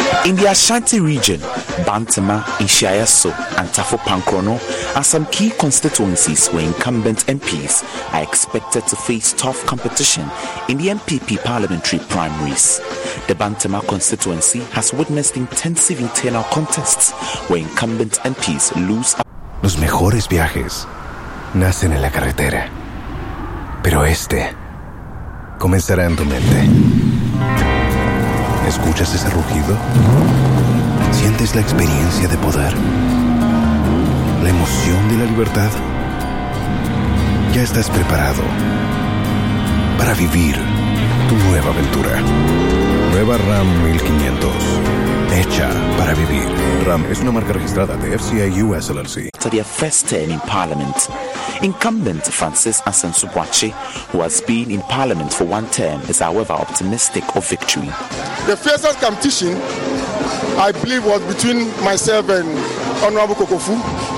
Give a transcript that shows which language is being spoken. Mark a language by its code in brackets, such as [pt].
[en] The Ashanti region, Bantama, Ishayaso, and Tafo Pankrono are some key constituencies where incumbent MPs are expected to face tough competition in the MPP parliamentary primaries. The Bantama constituency has witnessed intensive internal contests where incumbent MPs lose. [es] Los mejores viajes nacen en la carretera, pero este comenzará en tu mente. ¿Escuchas ese rugido? ¿Sientes la experiencia de poder? ¿La emoción de la libertad? Ya estás preparado para vivir tu nueva aventura. Nueva Ram 1500. Hecha para vivir. Ram es una marca registrada de FCA US LLC. [en] After their first term in Parliament, incumbent Francis Asensu Bwache, who has been in Parliament for one term, is however optimistic of victory. The fiercest competition, I believe, was between myself and Honorable Kokofu.